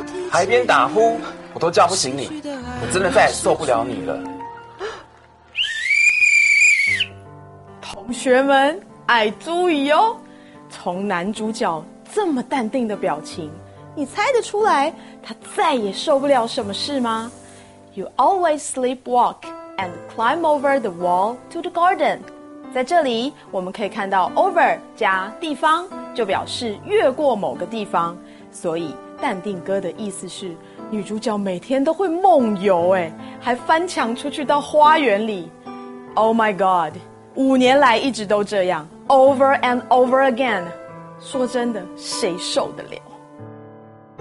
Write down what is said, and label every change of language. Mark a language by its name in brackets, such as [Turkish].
[Chinese] 海边打呼我都叫不醒你，我真的再也受不了你了。同学们爱注意哦，从男主角这么淡定的表情，你猜得出来他再也受不了什么事吗？ [English] You always sleepwalk and climb over the wall to the garden. [Chinese] 在这里我们可以看到 over 加地方就表示越过某个地方，所以淡定哥的意思是女主角每天都会梦游，哎，还翻墙出去到花园里。 [English] Oh my god, [Chinese] 5年来一直都这样 [English] over and over again, [Chinese] 说真的谁受得了。